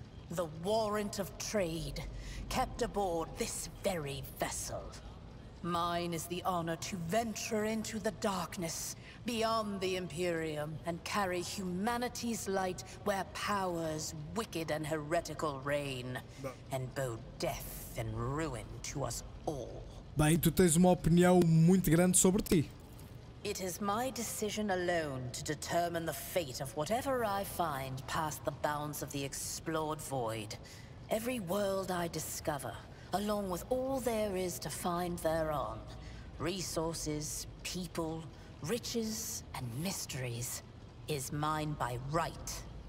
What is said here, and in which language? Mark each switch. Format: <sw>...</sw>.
<en>The Warrant of Trade, kept aboard this very vessel. Mine is the honor to venture into the darkness, beyond the Imperium, and carry humanity's light where powers wicked and heretical reign, and bode death and ruin to us all.</en> <pt>Bem, tu tens uma opinião muito grande sobre ti.</pt> <en>It is my decision alone to determine the fate of whatever I find past the bounds of the explored void. Every world I discover, along with all there is to find thereon. Resources, people, riches, and mysteries is mine by right.</en>